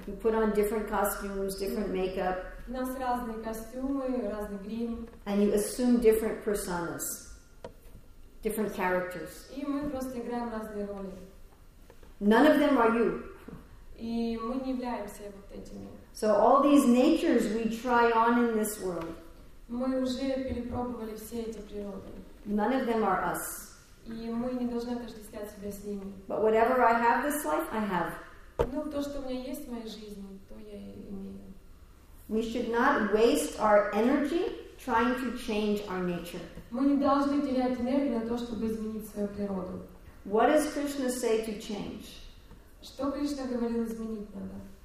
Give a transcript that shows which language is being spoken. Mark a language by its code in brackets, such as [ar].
[en] We put on different costumes, different makeup. [ru] У нас разные костюмы, разный грим. [en] And you assume different personas, different characters. [ru] И мы просто играем разные роли. [en] None of them are you. [ru] И мы не являемся вот этими. [en] So all these natures we try on in this world. [ru] Мы уже перепробовали все эти природы. [en] None of them are us. [ru] И мы не должны отождествлять себя с ними. [en] But whatever I have this life, I have. [ru] Ну, то, что у меня есть в моей жизни, то я и имею. [en] We should not waste our energy trying to change our nature. [ru] Мы не должны терять энергию на то, чтобы изменить свою природу. [en] What does Krishna say to change? [ru] Что Кришна говорил изменить надо?